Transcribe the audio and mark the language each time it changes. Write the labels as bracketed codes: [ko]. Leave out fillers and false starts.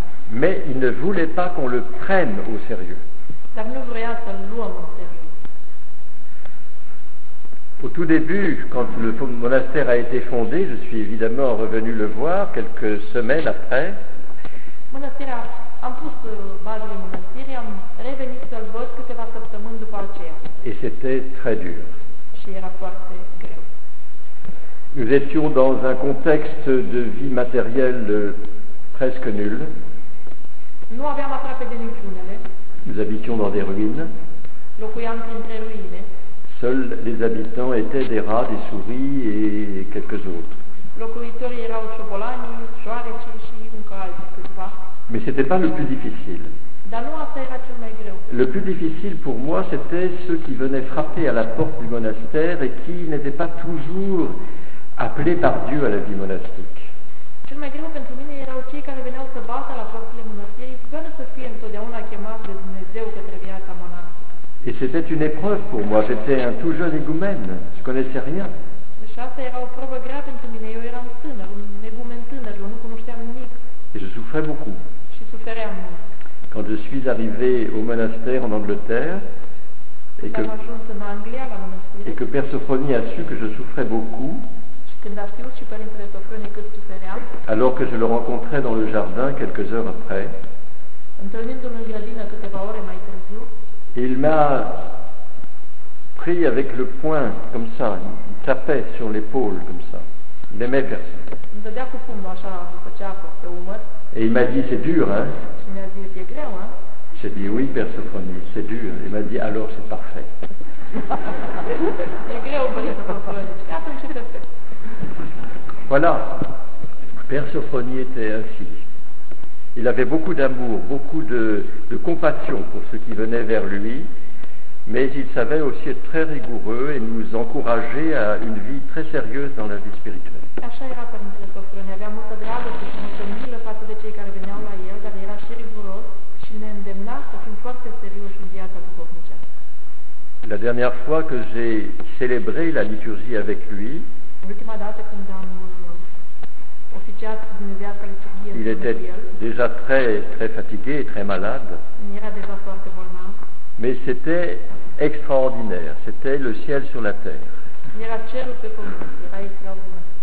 [fr] Mais il ne voulait pas qu'on le prenne au sérieux. [ro] Dar nu vrea să-l luăm în serios. [fr] Au tout début, quand le monastère a été fondé, je suis évidemment revenu le voir quelques semaines après. [ro] Monastirea, am pus bazele monastirii, am revenit să-l văd câteva săptămâni după aceea. [fr] Et c'était très dur. [ro] Și era foarte greu. [fr] Nous étions dans un contexte de vie matérielle presque nul. [ro] Nu aveam aproape de niciunele. [fr] Nous habitions dans des ruines. [ro] Locuiam printre ruine. [fr] Seuls les habitants étaient des rats, des souris et quelques autres. [ro] Locuitorii erau șobolani, șoareci și încă alții câțiva. [fr] Mais c'était pas le plus difficile. [ro] Dar nu asta era cel mai greu. [fr] Le plus difficile pour moi, c'était ceux qui venaient frapper à la porte du monastère et qui n'étaient pas toujours appelés par Dieu à la vie monastique. [ro] Cel mai greu pentru mine erau cei care veneau să bată la porțile mănăstirii fără să fie întotdeauna chemați de Dumnezeu către viața monastică. [fr] Et c'était une épreuve pour moi, j'étais un tout jeune égoumène, je connaissais rien. [ro] Și asta era o probă grea pentru mine, eu eram tânăr, un egumen tânăr, eu nu cunoșteam nimic. [fr] Et je souffrais beaucoup. [ro] Și sufeream mult. [fr] Quand je suis arrivé au monastère en Angleterre, [ro] et que, am ajuns în Anglia, la mănăstire, [fr] et que Père Sophronie a su que je souffrais beaucoup, [ro] când a știut și părintele Sofronie cât sufeream, [fr] alors que je le rencontrais dans le jardin quelques heures après, [ro] întâlnindu-l în grădină câteva ore mai târziu, [fr] il m'a pris avec le poing, comme ça, il tapait sur l'épaule, comme ça, il n'aimait personne. [ro] Îmi dădea cu pumnul așa, după ce a fost pe umăr, [fr] et il m'a dit, c'est dur, hein? [ro] Și mi-a zis, e greu, hein? [fr] J'ai dit, oui, Père Sofronie, c'est dur. Il m'a dit, alors c'est parfait. [ro] E greu, părintele Sofronie, și atunci ce trebuie? [fr] Voilà, Père Sophronie était ainsi. Il avait beaucoup d'amour, beaucoup de compassion pour ceux qui venaient vers lui, mais il savait aussi être très rigoureux et nous encourager à une vie très sérieuse dans la vie spirituelle. [ro] Așa era Părintele Sofronie, avea multă dragoste și multă milă față de cei care veneau la el, dar era și riguros și ne îndemna să fim foarte serioși în viața duhovnicească. [fr] La dernière fois que j'ai célébré la liturgie avec lui, [ro] ultima dată când am oficiat dumnezeiasca liturghie [fr] il était [ro] el, [fr] déjà très très fatigué et très malade. [ro] Era deja foarte bolnav. [fr] Mais c'était extraordinaire, c'était le ciel sur la terre. [ro] Era cerul pe pământ, era extraordinar.